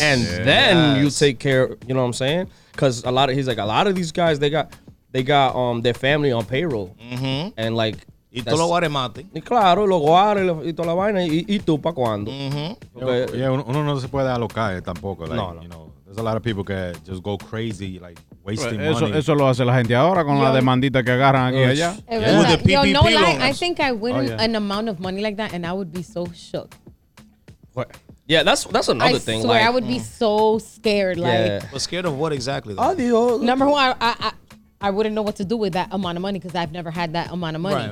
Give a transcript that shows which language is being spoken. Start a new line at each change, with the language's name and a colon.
English: And then you take care, you know what I'm saying? Because a lot of these guys, they got their family on payroll. Mm-hmm. And like.
Spanish: Y tú lo guardes mate. Y claro, lo guardes y toda la vaina. Y tú, ¿pa' cuándo? Mm-hmm.
English: Okay. Yeah,
Spanish: uno no se puede alocar tampoco.
English: Like, no, no. You know. There's a lot of people that just go crazy, like wasting money.
Spanish: Eso lo hace la gente ahora con la demandita que agarran aquí allá.
English: Yeah. Yeah. With the PPP loans. Yo, no lie, I think I win an amount of money like that, and I would be so shook. What? Yeah, that's another thing. I swear, like, I would be so scared. Like, yeah. But scared of what exactly?
Spanish: Adios.
English: Number one, I wouldn't know what to do with that amount of money because I've never had that amount of money.